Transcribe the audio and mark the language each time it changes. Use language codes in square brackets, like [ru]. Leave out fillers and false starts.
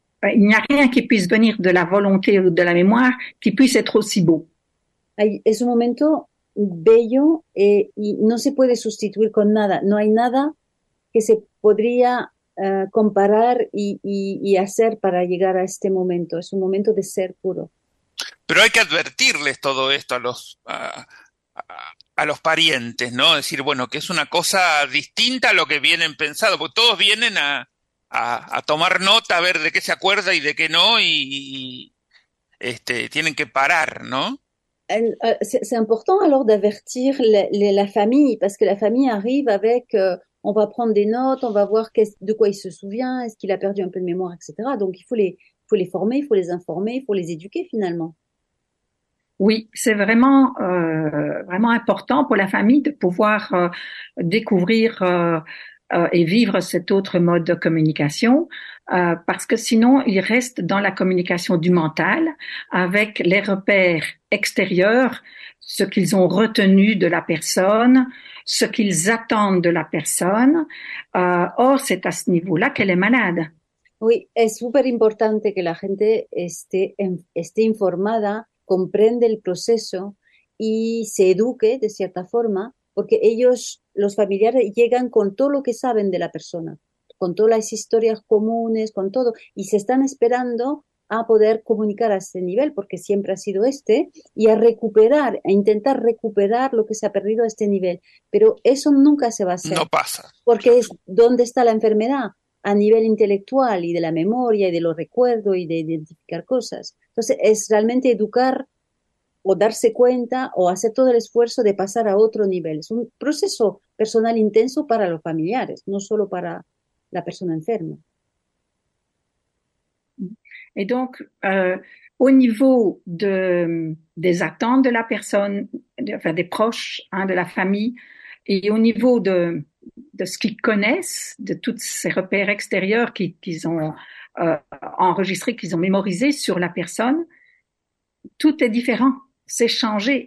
[fr] il n'y a rien qui puisse venir de la volonté ou de la mémoire qui puisse être aussi beau. [es] Es un momento bello y no se puede sustituir con nada. No hay nada que se podría comparar y hacer para llegar a este momento. Es un momento de ser puro. Pero hay que advertirles todo esto a los parientes, ¿no? Decir, bueno, que es una cosa distinta a lo que vienen pensando, porque todos vienen a tomar nota, a ver de qué se acuerda y de qué no, y tienen que parar, ¿no? [fr] C'est important alors d'avertir la famille, parce que la famille arrive avec, on va prendre des notes, on va voir de quoi il se souvient, est-ce qu'il a perdu un peu de mémoire, etc. Donc il faut les former, il faut les informer, il faut les éduquer finalement. Oui, c'est vraiment, vraiment important pour la famille de pouvoir découvrir et vivre cet autre mode de communication, parce que sinon ils restent dans la communication du mental avec les repères extérieurs, ce qu'ils ont retenu de la personne, ce qu'ils attendent de la personne. Or, c'est à ce niveau-là qu'elle est malade. [es] Oui, es súper importante que la gente esté informada, comprende el proceso y se eduque de cierta forma, porque ellos, los familiares, llegan con todo lo que saben de la persona, con todas las historias comunes, con todo, y se están esperando a poder comunicar a este nivel, porque siempre ha sido este, y a recuperar, a intentar recuperar lo que se ha perdido a este nivel. Pero eso nunca se va a hacer. No pasa. Porque es donde está la enfermedad, a nivel intelectual y de la memoria y de los recuerdos y de identificar cosas. Entonces, es realmente educar o darse cuenta o hacer todo el esfuerzo de pasar a otro nivel. Es un proceso personal intenso para los familiares, no solo para la persona enferma. [fr] Et donc, au niveau des attentes de la personne, enfin des proches, hein, de la famille, et au niveau de ce qu'ils connaissent, de tous ces repères extérieurs qu'ils ont enregistrés, qu'ils ont mémorisés sur la personne, tout est différent, c'est changé.